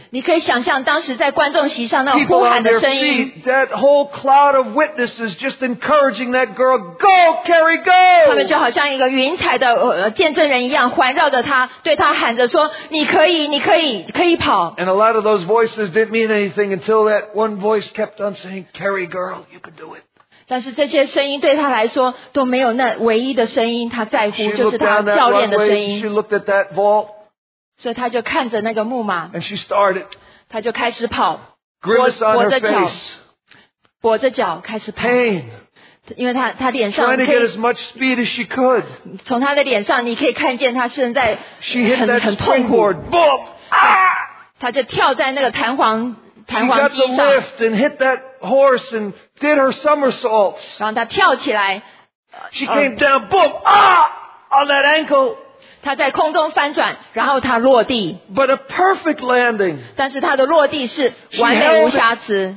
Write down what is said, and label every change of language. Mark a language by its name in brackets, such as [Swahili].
[Chinese] 你可以想象当时在观众席上那呼喊的声音。 [English] That whole cloud of witnesses just encouraging that girl, go, Carrie, go! [Chinese] 他们就好像一个云彩的见证人一样，环绕着他，对他喊着说：“你可以，你可以，可以跑。” [English] And a lot of those voices didn't mean anything until that one voice kept on saying, "Carrie, girl, you can do it." [Chinese] 但是这些声音对他来说都没有那唯一的声音，他在乎就是他教练的声音。 [English] She looked at that vault, [Chinese] 所以他就看着那个木马。 [English] And she started, [Chinese] 他就开始跑。 [English] Grimace on her face, [Chinese] 跛着脚开始跑。 [English] Pain, [Chinese] 因为他脸上可以。 [English] Trying to get as much speed as she could. [Chinese] 从他的脸上你可以看见他现在很痛苦。 [English] She hit that springboard, boom! [Chinese] 他就跳在那个弹簧机上。 [English] She got the lift and hit that horse and. Did her somersaults. [Chinese] 然后她跳起来。 She came down, boom, on that ankle. 她在空中翻转，然后她落地。 But a perfect landing. 但是她的落地是完美无瑕疵。